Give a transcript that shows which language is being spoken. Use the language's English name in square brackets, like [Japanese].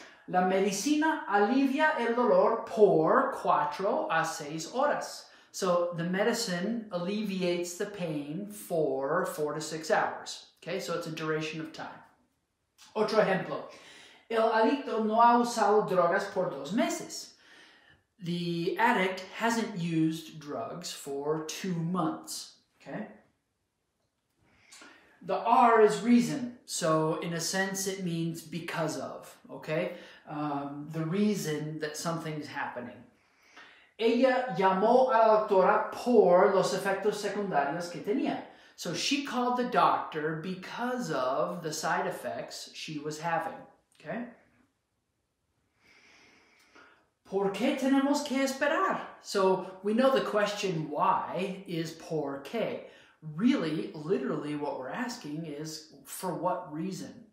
[Spanish] La medicina alivia el dolor por 4 a 6 horas. [English] So the medicine alleviates the pain for 4 to 6 hours. Okay, so it's a duration of time. [Spanish] Otro ejemplo. El adicto no ha usado drogas por 2 meses. [English] The addict hasn't used drugs for 2 months. Okay. The R is reason. So in a sense, it means because of. Okay. The reason that something is happening. [Spanish] Ella llamó a la doctora por los efectos secundarios que tenía. [English] So she called the doctor because of the side effects she was having. Okay. [Spanish] ¿Por qué tenemos que esperar? [English] So we know the question why is por qué. Really, literally, what we're asking is for what reason.